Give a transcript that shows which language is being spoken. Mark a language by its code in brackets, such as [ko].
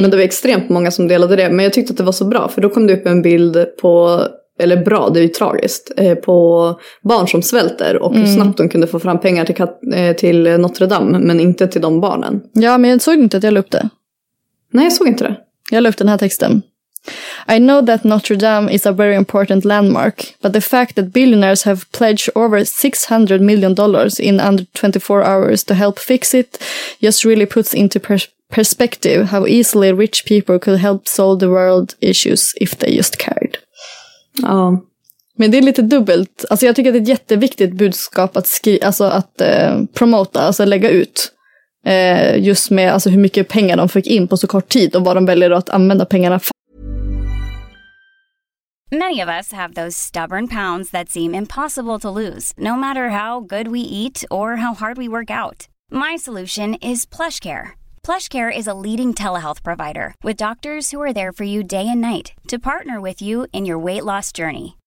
[sv] Men det var extremt många som delade det. Men jag tyckte att det var så bra, för då kom det upp en bild på... Eller bra, det är ju tragiskt. På barn som svälter och hur snabbt de kunde få fram pengar till Notre Dame, men inte till de barnen. Ja, men jag såg inte att jag la upp det. Nej, jag såg inte det. Jag la upp den här texten. [en] I know that Notre Dame is a very important landmark, but the fact that billionaires have pledged over $600 million in under 24 hours to help fix it just really puts into perspective how easily rich people could help solve the world issues if they just cared. [sv] Ja. Men det är lite dubbelt. Alltså jag tycker att det är ett jätteviktigt budskap att skriva, alltså att promota, alltså lägga ut. Just med alltså hur mycket pengar de fick in på så kort tid och vad de väljer att använda pengarna för. [en] Many of us have those stubborn pounds that seem impossible to lose, no matter how good we eat or how hard we work out. My solution is PlushCare. PlushCare is a leading telehealth provider with doctors who are there for you day and night to partner with you in your weight loss journey.